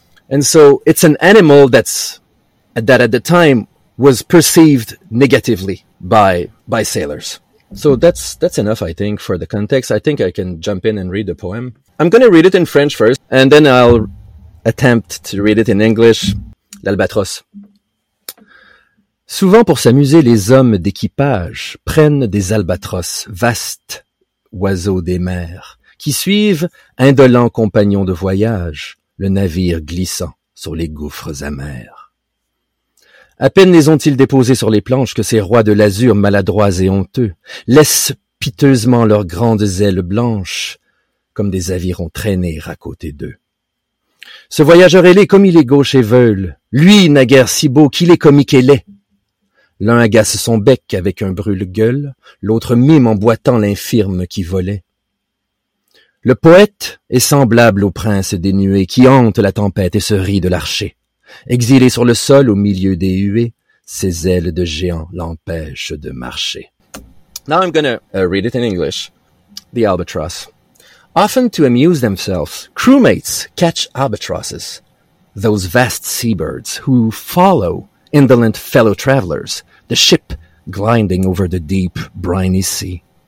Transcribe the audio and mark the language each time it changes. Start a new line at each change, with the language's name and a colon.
English: And so it's an animal that at the time was perceived negatively by sailors. So that's enough, I think, for the context. I think I can jump in and read the poem. I'm going to read it in French first, and then I'll attempt to read it in English.
French: L'albatros. Souvent pour s'amuser, les hommes d'équipage prennent des albatros, vastes oiseaux des mers, qui suivent, indolents compagnons de voyage, le navire glissant sur les gouffres amers. À peine les ont-ils déposés sur les planches que ces rois de l'azur maladroits et honteux laissent piteusement leurs grandes ailes blanches comme des avirons traînés à côté d'eux. Ce voyageur ailé, comme il est gauche et veule, lui n'a guère si beau qu'il est comique et laid. L'un agace son bec avec un brûle-gueule, l'autre mime en boitant l'infirme qui volait. Le poète est semblable au prince des nuées qui hante la tempête et se rit de l'archer. Exilé sur le sol au milieu des huées, ses ailes de géant l'empêchent de marcher.
English: Now I'm gonna read it in English. The albatross. Often to amuse themselves, crewmates catch albatrosses, those vast seabirds who follow indolent fellow travelers, the ship gliding over the deep, briny sea.